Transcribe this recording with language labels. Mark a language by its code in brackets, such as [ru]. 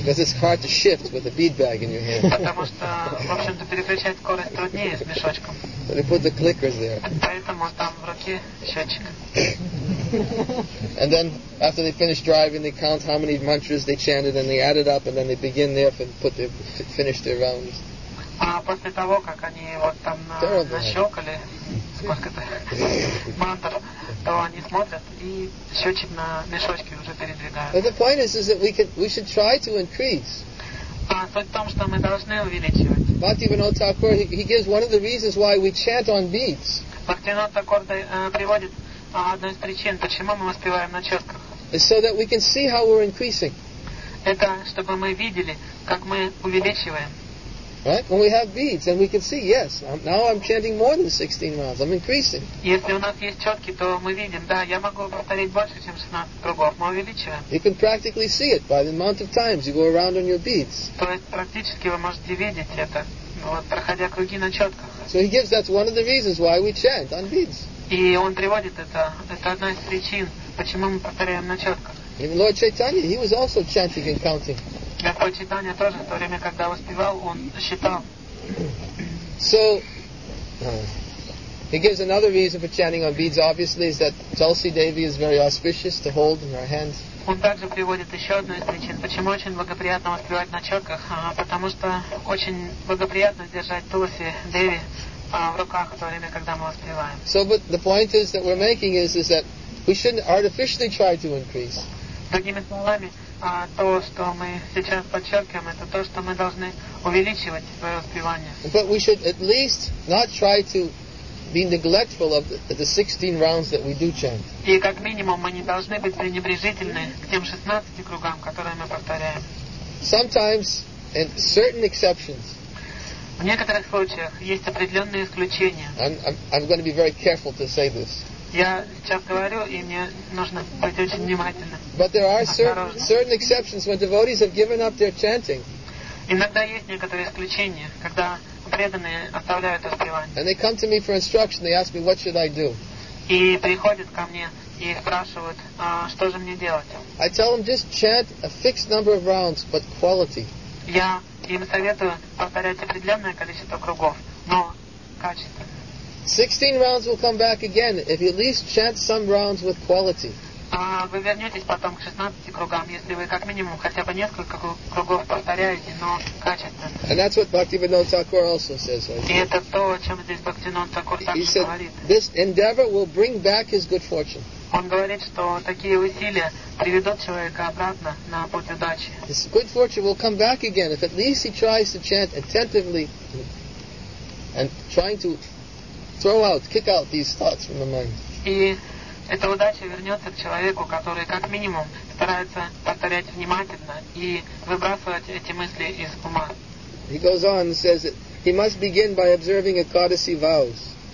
[en] Because it's hard to shift with a bead bag in your hand. [ru] Потому что, в общем-то, переключать скорость труднее с мешочком. [en] But they put the clickers there. [ru] Поэтому там в руке счетчик. [en] And then, after they finish driving, they count how many mantras they chanted, and they add it up, and then they begin there and finish their rounds. [ru] А после того, как они вот там нащелкали, сколько-то мантр, то они смотрят и счетчик на мешочке уже передвигают. [en] But the point is that we should try to increase. [ru] А суть в том, что мы должны увеличивать. [en] Bhaktivinoda Thakur, he gives one of the reasons why we chant on beats. [ru] Bhaktivinoda Thakur приводит одну из причин, почему мы воспеваем на четках. [en] It's so that we can see how we're increasing. [ru] Это чтобы мы видели, как мы увеличиваем. [en] Right? When we have beads, then we can see, yes, now I'm chanting more than 16 rounds, I'm increasing. [ru] Если у нас есть четки, то мы видим, да, я могу повторить больше, чем 16 кругов, мы увеличиваем. [en] You can practically see it by the amount of times you go around on your beads. [ru] То есть практически вы можете видеть это, вот, проходя круги на четках. [en] So he gives that's one of the reasons why we chant on beads. [ru] И он приводит это одна из причин, почему мы повторяем на четках. [en] Even Lord Chaitanya, he was also chanting and counting. [ru] Господь Читания тоже в то время, когда воспевал, он считал. [en] So, he gives another reason for chanting on beads, obviously, is that Tulsi Devi is very auspicious to hold in her hands. [ru] Он также приводит еще одну из причин, почему очень благоприятно воспевать на четках, потому что очень благоприятно держать Тулси Деви в руках в то время, когда мы воспеваем. [en] So, but the point is that we're making is that we shouldn't artificially try to increase. [ru] Другими словами, то, что мы сейчас подчеркиваем, это то, что мы должны увеличивать свое воспевание. [en] But we should at least not try to be neglectful of the 16 rounds that we do chant. [ru] И как минимум мы не должны быть пренебрежительны к тем 16 кругам, которые мы повторяем. [en] Sometimes, in certain exceptions. [ru] В некоторых случаях есть определенные исключения. [en] I'm going to be very careful to say this. [ru] Я сейчас говорю, и мне нужно быть очень внимательным. [en] But there are certain exceptions when devotees have given up their chanting. [ru] Иногда есть некоторые исключения, когда преданные оставляют воспевание. [en] And they come to me for instruction. They ask me, what should I do? [ru] И приходят ко мне и спрашивают, что же мне делать? [en] I tell them just chant a fixed number of rounds, but quality. [ru] Я им советую повторять определенное количество кругов, но качество. [en] 16 rounds will come back again if you at least chant some rounds with quality. [ru] Вы вернетесь потом к 16 кругам, если вы как минимум хотя бы несколько кругов повторяете, но качественно. [en] And that's what Bhaktivinoda Thakur also says. [ru] И это то, о чем здесь Бхактивинода Такур также говорит. [en] He said this endeavor will bring back his good fortune. [ru] Он говорит, что такие усилия приведут человека обратно на путь удачи. [en] His good fortune will come back again if at least he tries to chant attentively and trying to throw out, kick out these thoughts from the mind. [ru] И эта удача вернется к человеку, который как минимум старается повторять внимательно и выбрасывать эти мысли из ума. [en] He goes on and says that he must begin by observing Ekadasi vows.